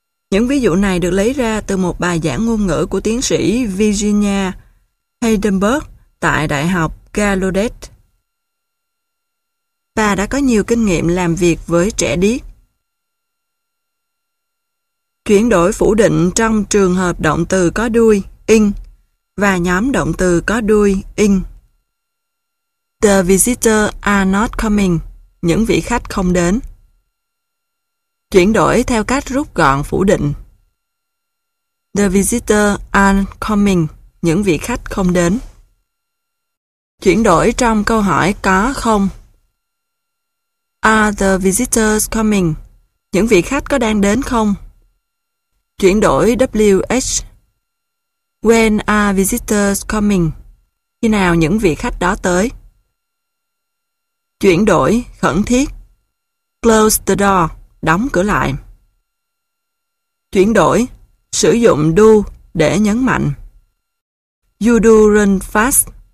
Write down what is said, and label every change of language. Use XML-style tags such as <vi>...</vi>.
<vi>Những ví dụ này được lấy ra từ một bài giảng ngôn ngữ của tiến sĩ Virginia Heidenberg tại Đại học Gallaudet. Bà đã có nhiều kinh nghiệm làm việc với trẻ điếc. Chuyển đổi phủ định trong trường hợp động từ có đuôi, in, và nhóm động từ có đuôi, in.</vi> <en>The visitors are not coming.</en> <vi>Những vị khách không đến. Chuyển đổi theo cách rút gọn phủ định.</vi> <en>The visitors aren't coming.</en> <vi>Những vị khách không đến. Chuyển đổi trong câu hỏi có không.</vi> <en>Are the visitors coming?</en> <vi>Những vị khách có đang đến không? Chuyển đổi WH.</vi> <en>When are visitors coming?</en> <vi>Khi nào những vị khách đó tới? Chuyển đổi khẩn thiết.</vi> <en>Close the door.</en> <vi>Đóng cửa lại. Chuyển đổi. Sử dụng do để nhấn mạnh.</vi> <en>You do run fast.</en>